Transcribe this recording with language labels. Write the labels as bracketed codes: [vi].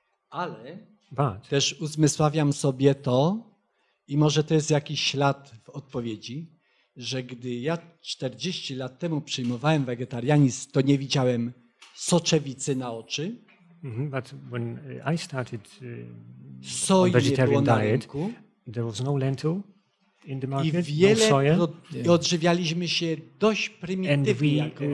[pl] Ale też uzmysławiam sobie to, i może to jest jakiś ślad w odpowiedzi, że gdy ja 40 lat temu przyjmowałem wegetarianizm, to nie widziałem soczewicy na oczy. [en] Mm-hmm, but when I started on vegetarian diet, there was no lentil in the market, [pl] I odżywialiśmy się dość prymitywnie,